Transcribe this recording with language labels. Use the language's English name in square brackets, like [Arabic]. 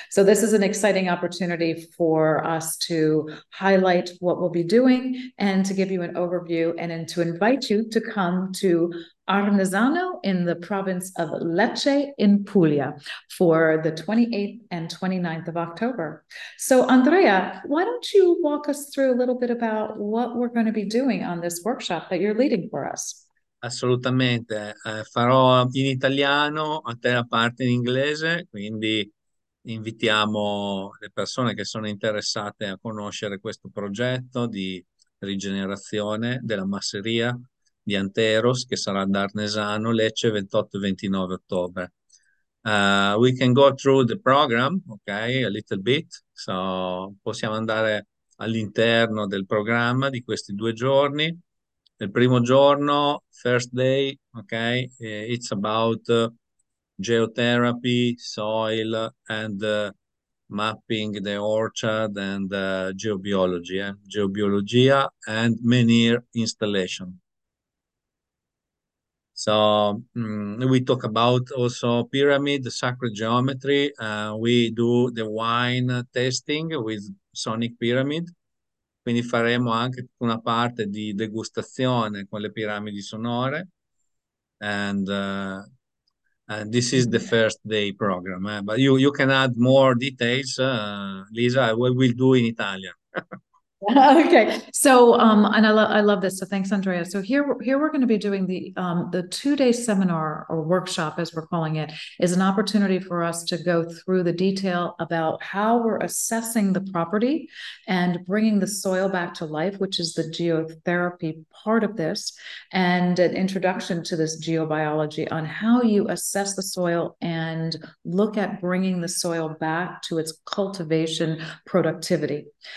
[English] So this is an exciting opportunity for us to highlight what we'll be doing and to give you an overview and then to invite you to come to Arnesano in the province of Lecce in Puglia for the 28th and 29th of October. So Andrea, why don't you walk us through a little bit about what we're going to be doing on this workshop that you're leading for us? [Italian] Assolutamente. Farò in italiano, a te la parte in inglese, quindi invitiamo le persone che sono interessate a conoscere questo progetto di rigenerazione della masseria di Anteros, che sarà ad Arnesano, Lecce, 28 e 29 ottobre. [English] We can go through the program, ok, a little bit. [Italian] So possiamo andare all'interno del programma di questi due giorni. Il primo giorno, [English] first day, ok, it's about geotherapy, soil, and mapping the orchard and geobiologia and manure installation. So we talk about also pyramid, the sacred geometry. We do the wine tasting with Sonic Pyramid. [Italian] Quindi faremo anche una parte di degustazione con le piramidi sonore. [English] And this is the first day program, eh? But you can add more details, Lisa, we will do in Italian. Okay, so and I love this. So thanks, Andrea. So here we're going to be doing the 2-day seminar or workshop, as we're calling it, is an opportunity for us to go through the detail about how we're assessing the property and bringing the soil back to life, which is the geotherapy part of this, and an introduction to this geobiology on how you assess the soil and look at bringing the soil back to its cultivation productivity.